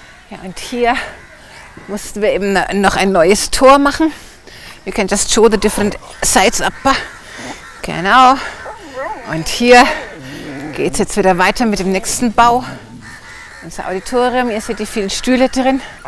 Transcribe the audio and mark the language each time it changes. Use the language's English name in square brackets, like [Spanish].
[German] Ja, und hier mussten wir eben noch ein neues Tor machen. [English] You can just show the different sides up. [German] Genau. Und hier geht's jetzt wieder weiter mit dem nächsten Bau. Unser Auditorium, ihr seht die vielen Stühle drin.